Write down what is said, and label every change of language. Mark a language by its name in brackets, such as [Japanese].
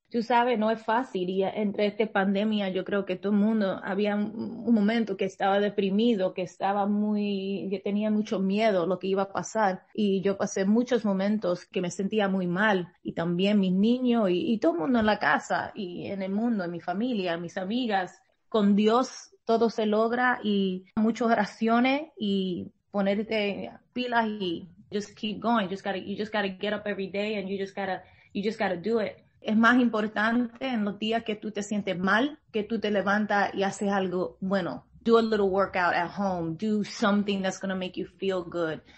[Spanish] Tú sabes, no es fácil, y entre esta pandemia yo creo que todo el mundo había un momento que estaba deprimido, que tenía mucho miedo lo que iba a pasar, y yo pasé muchos momentos que me sentía muy mal, y también mis niños y todo el mundo en la casa y en el mundo, en mi familia, mis amigas. Con Dios todo se logra, y muchas oraciones y ponerte pilas y [English] just keep going. You just gotta get up every day and you just gotta do it. [Spanish] Es más importante en los días que tú te sientes mal que tú te levantas y haces algo bueno. [English] Do a little workout at home. Do something that's going to make you feel good.